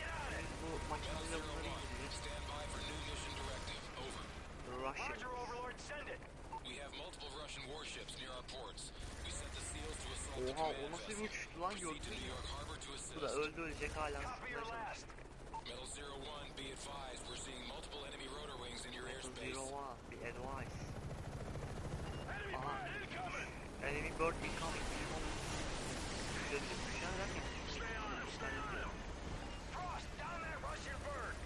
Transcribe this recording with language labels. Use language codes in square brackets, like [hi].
[tr] Biz bu makinayla bunları izleyeceğiz. [en] Russian. We have multiple Russian warships near our ports. We sent the seals to assault the command vessel. [tr] Oha, o nasıl bir uçuştu lan gördün mü? Bu da öldü ölecek hala. [en] Metal 01, be advised. We're seeing multiple enemy rotor wings in your airspace. Metal 01, be advised. Aha. Enemy bird incoming. Enemy bird incoming. [tr] Dönüşe düşen lan. [en] Stay on him, stay on him. Frost, down that Russian bird.